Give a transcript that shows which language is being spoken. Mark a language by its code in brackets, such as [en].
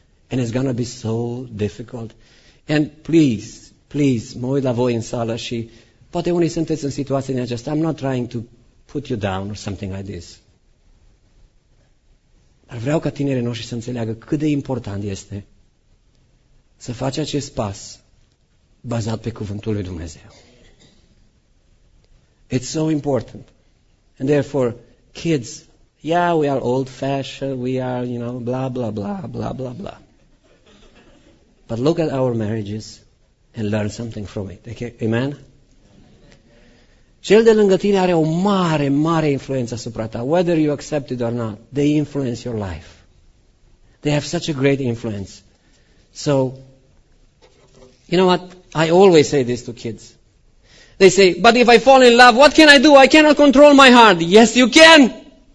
[en] And it's going to be so difficult. And please, please, [ro] mă uit la voi în sală și poate unii sunteți în situația din aceasta. [en] I'm not trying to put you down or something like this. [ro] Dar vreau ca tinerii noștri să înțeleagă cât de important este să faci acest pas bazat pe cuvântul lui Dumnezeu. [en] It's so important. And therefore, kids, yeah, we are old-fashioned, we are, you know, blah, blah, blah, blah, blah, blah. But look at our marriages and learn something from it. Okay? Amen? [ro] Cel de lângă tine are o mare, mare influență asupra ta. [en] Whether you accept it or not, they influence your life. They have such a great influence. So, you know what? I always say this to kids. They say, but if I fall in love, what can I do? I cannot control my heart. Yes, you can.